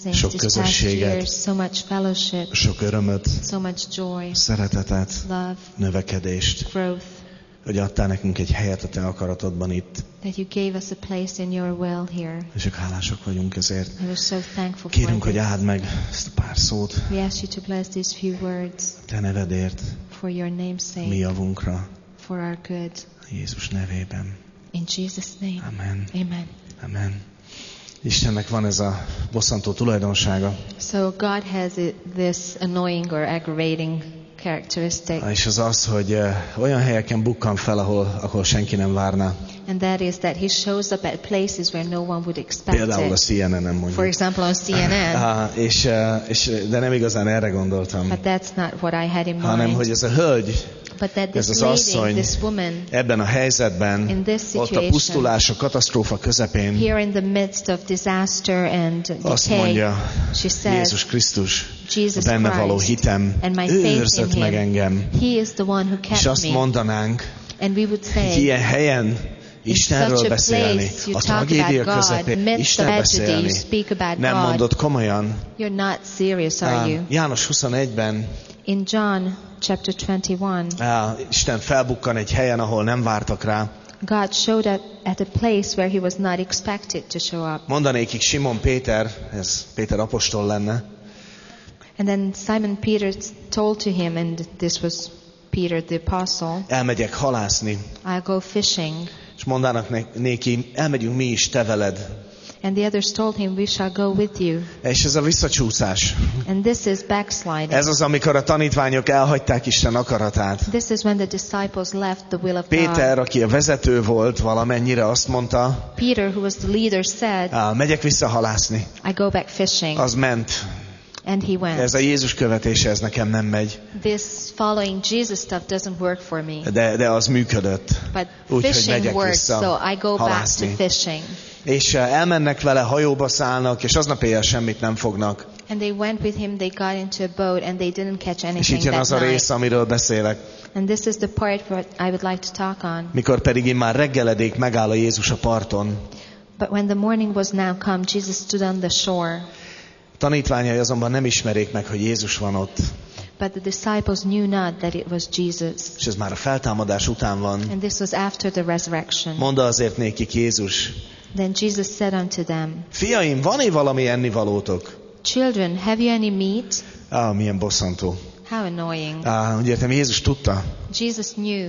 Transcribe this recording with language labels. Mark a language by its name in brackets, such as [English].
[Hungarian] Sok közösséget, sok örömöt, szeretetet, növekedést, hogy adtál nekünk egy helyet a te akaratodban itt. [English] That you gave us a place in your will here. [Hungarian] És csak hálások vagyunk ezért. [English] And we're so thankful for it. [Hungarian] Kérünk, hogy áld meg ezt a pár szót. [English] We ask you to bless these few words. [Hungarian] Te nevedért. [English] For your name's sake. [Hungarian] Mi javunkra. [English] For our good. [Hungarian] Jézus nevében. [English] In Jesus' name. [Hungarian] Amen. [English] Amen. Amen. [Hungarian] Istennek van ez a bosszantó tulajdonsága. [English] So God has this annoying or aggravating characteristic. [Hungarian] És az az, hogy olyan helyeken bukkan fel, ahol senki nem várná. [English] And that is that he shows up at places where no one would expect. [Hungarian] Például a CNN-en mondjuk. [English] For example, on CNN. [Hungarian] És de nem igazán erre gondoltam. [English] But that's not what I had in mind. [Hungarian] Hanem hogy ez a hölgy, [English] but that this [Hungarian] ez az [English] lady, [Hungarian] asszony, [English] this woman, [Hungarian] ebben a helyzetben, [English] in this situation, [Hungarian] ott a pusztulás, a katasztrófa közepén, [English] here in the midst of disaster and decay, [Hungarian] azt mondja, [English] she says, [Hungarian] Jézus Krisztus, [English] Jesus [Hungarian] benne [English] Christ, [Hungarian] való hitem, [English] and my faith [Hungarian] ő őrzött meg engem. [English] He is the one who kept [Hungarian] és azt mondanánk, [English] and we would say, [Hungarian] hogy ilyen helyen Istenről beszélni, a tragédia közepén Isten beszélni, nem mondod komolyan. [English] You're not serious, are you? [Hungarian] János 21-ben [English] in John chapter 21, [Hungarian] Isten felbukkan egy helyen, ahol nem vártak rá. [English] God showed up at a place where he was not expected to show up. [Hungarian] Mondanékik Simon Péter, ez Péter apostol lenne. [English] And then Simon Peter told to him, and this was Peter the apostle. [Hungarian] Elmegyek halászni. [English] I'll go fishing. [Hungarian] És mondanak néki, elmegyünk mi is te veled. [English] And the others told him, we shall go with you. [Hungarian] És ez a visszacsúszás. [English] And this is backsliding. [Hungarian] Ez az, amikor a tanítványok elhagyták Isten akaratát. [English] This is when the disciples left the will of God. [Hungarian] Péter, aki a vezető volt, valamennyire azt mondta, [English] Peter, who was the leader, said, [Hungarian] megyek vissza halászni. [English] I go back fishing. [Hungarian] Az ment. [English] And he went. [Hungarian] Ez a Jézus követése, ez nekem nem megy. [English] This following Jesus stuff doesn't work for me. [Hungarian] De az működött. [English] But [Hungarian] úgy, [English] fishing [Hungarian] hogy megyek [English] works, [Hungarian] vissza [English] so I go [Hungarian] halászni. [English] Back to fishing. [Hungarian] És elmennek vele, hajóba szállnak, és aznap éjjel semmit nem fognak. [English] And they went with him, they got into a boat, and they didn't catch anything [Hungarian] És itt jön az a rész, amiről beszélek. [English] And this is the part what I would like to talk on. [Hungarian] Mikor pedig immár reggeledék, megáll a Jézus a parton. [English] But when the morning was now come, Jesus stood on the shore. [Hungarian] Tanítványai azonban nem ismerik meg, hogy Jézus van ott. [English] But the disciples knew not that it was Jesus. [Hungarian] És ez már a feltámadás után van. [English] And this was after the resurrection. [Hungarian] Mondta azért nékik Jézus. [English] Then Jesus said unto them, [Hungarian] fiaim, van-e valami ennivalótok? [English] Children, have you any meat? [Hungarian] Milyen bosszantó. [English] How annoying. [Hungarian] Úgy értem, Jézus tudta, [English] Jesus knew,